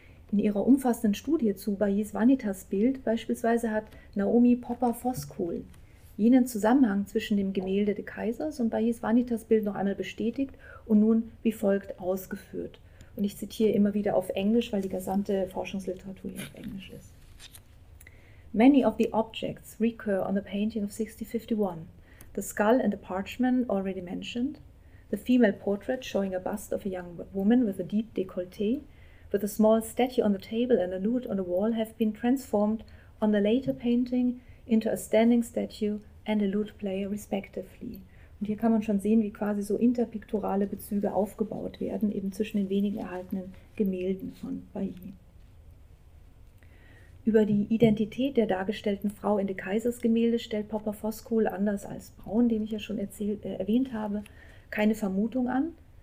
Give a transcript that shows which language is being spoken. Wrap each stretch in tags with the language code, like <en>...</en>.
<de>In ihrer umfassenden Studie zu Baillys Vanitas-Bild beispielsweise hat Naomi Popper-Foskohl jenen Zusammenhang zwischen dem Gemälde de Keysers und Baillys Vanitas-Bild noch einmal bestätigt und nun wie folgt ausgeführt. Und ich zitiere immer wieder auf Englisch, weil die gesamte Forschungsliteratur hier auf Englisch ist.</de> <en>Many of the objects recur on the painting of 1651. The skull and the parchment already mentioned. The female portrait showing a bust of a young woman with a deep décolleté. With a small statue on the table and a lute on the wall have been transformed on the later painting into a standing statue and a lute player respectively.</en> <de>Und hier kann man schon sehen, wie quasi so interpiktorale Bezüge aufgebaut werden, eben zwischen den wenigen erhaltenen Gemälden von Bailly. Über die Identität der dargestellten Frau in de Keysers Gemälde stellt Popper-Foskohl, anders als Braun, den ich ja schon erwähnt habe, keine Vermutung an.</de>